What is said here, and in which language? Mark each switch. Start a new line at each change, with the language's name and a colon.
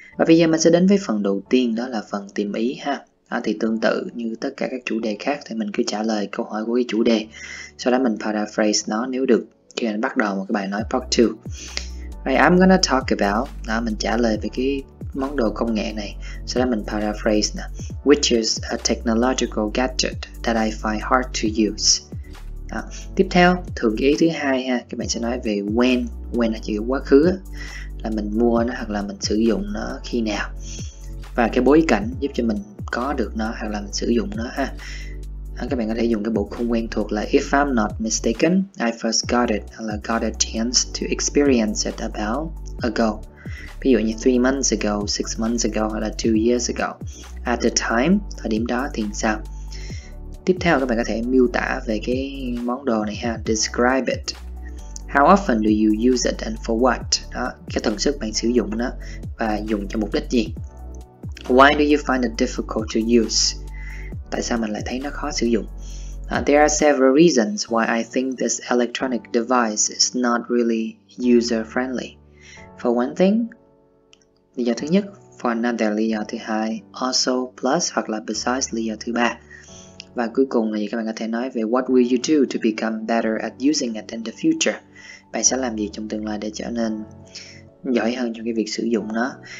Vietnamese: Và bây giờ mình sẽ đến với phần đầu tiên, đó là phần tìm ý ha. Thì tương tự như tất cả các chủ đề khác thì mình cứ trả lời câu hỏi của cái chủ đề. Sau đó mình paraphrase nó nếu được, khi mình bắt đầu một cái bài nói part 2.
English: Right, I'm gonna talk about,
Vietnamese: đó, mình trả lời về cái món đồ công nghệ này. Sau đó mình paraphrase nè.
English: Which is a technological gadget that I find hard to use.
Vietnamese: Đó. Tiếp theo, thường ý thứ hai ha, các bạn sẽ nói về when. When là chữ quá khứ, là mình mua nó hoặc là mình sử dụng nó khi nào. Và cái bối cảnh giúp cho mình có được nó hoặc là mình sử dụng nó ha. Các bạn có thể dùng cái bộ khung quen thuộc là
English: If I'm not mistaken, I first got it,
Vietnamese: hoặc là
English: got a chance to experience it about ago.
Vietnamese: Ví dụ như 3 months ago, 6 months ago, hoặc là 2 years ago.
English: At the time,
Vietnamese: thời điểm đó thì sao? Tiếp theo các bạn có thể miêu tả về cái món đồ này ha.
English: Describe it. How often do you use it and for what?
Vietnamese: Đó, cái tần suất bạn sử dụng nó và dùng cho mục đích gì?
English: Why do you find it difficult to use?
Vietnamese: Tại sao mình lại thấy nó khó sử dụng?
English: There are several reasons why I think this electronic device is not really user-friendly. For one thing,
Vietnamese: lý do thứ nhất.
English: For another,
Vietnamese: lý do thứ hai.
English: Also, plus,
Vietnamese: hoặc là
English: besides,
Vietnamese: lý do thứ ba. Và cuối cùng là gì các bạn có thể nói về
English: what will you do to become better at using it in the future?
Vietnamese: Bạn sẽ làm gì trong tương lai để trở nên giỏi hơn trong cái việc sử dụng nó?